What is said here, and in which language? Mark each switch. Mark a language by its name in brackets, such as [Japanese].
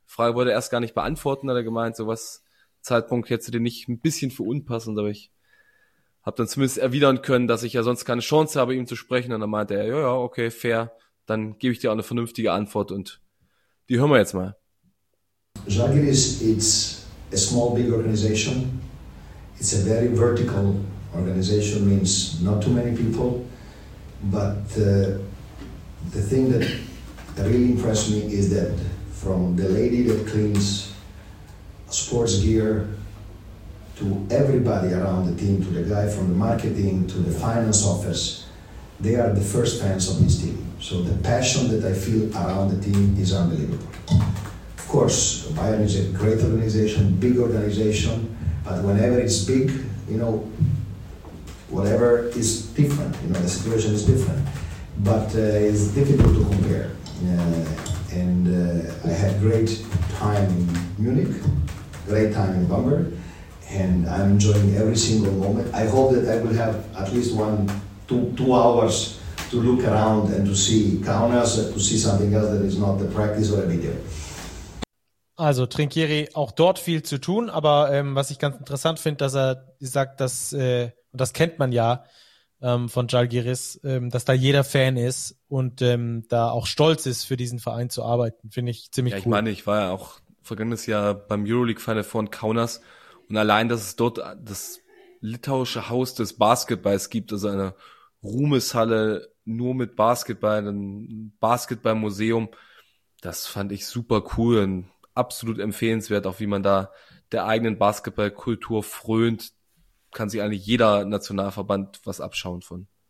[German] Frage wollte er erst gar nicht beantworten, hat er gemeint, sowas Zeitpunkt hätte den nicht ein bisschen für unpassend, aber ich habe dann zumindest erwidern können, dass ich ja sonst keine Chance habe, ihm zu sprechen, und dann meinte er, ja, ja, okay, fair, dann gebe ich dir auch eine vernünftige Antwort und die hören wir jetzt mal. [English] Žalgiris, it's a small, big organization. It's a very vertical organization, means not too many people. But the thing that really impressed me is that from the lady that cleans sports gear to everybody around the team, to the guy from the marketing, to the finance office, they are the first fans of this team. So the passion that I feel around the team is unbelievable. Of course, Bayern is a great organization, big organization, but whenever it's big, you know, whatever is different, you know, the situation is different. But it's difficult to compare. I had great time in Munich, great time in Bamberg, and I'm enjoying every single moment. I hope that I will have at least two hours to look around and to see Kaunas, to see something else that is not the practice or a video. [German] Also Trinchieri, auch dort viel zu tun, aber was ich ganz interessant finde, dass er sagt, dass, und das kennt man ja von Žalgiris, dass da jeder Fan ist und da auch stolz ist, für diesen Verein zu arbeiten, finde ich ziemlich cool. Ja, ich war ja auch vergangenes Jahr beim Euroleague-Final von Kaunas und allein, dass es dort das litauische Haus des Basketballs gibt, also eine Ruhmeshalle nur mit Basketball, ein Basketballmuseum, das fand ich super cool und absolut empfehlenswert, auch wie man da der eigenen Basketballkultur frönt, kann sich eigentlich jeder Nationalverband was abschauen von.